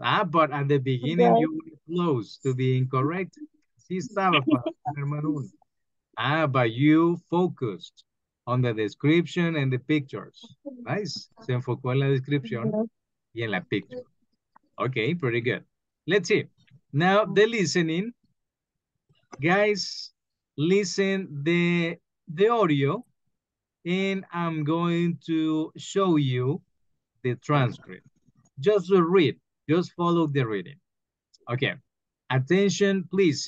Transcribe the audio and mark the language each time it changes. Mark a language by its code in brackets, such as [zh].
[en] Ah, but at the beginning, okay, you were close to being correct. [es] Sí estaba para armar uno. [en] Ah, but you focused on the description and the pictures. Nice. [es] Se enfocó en la descripción y en la picture. [en] Okay, pretty good. Let's see. Now, the listening. Guys, listen the audio, and I'm going to show you the transcript. Just to read, just follow the reading. Okay, attention, please.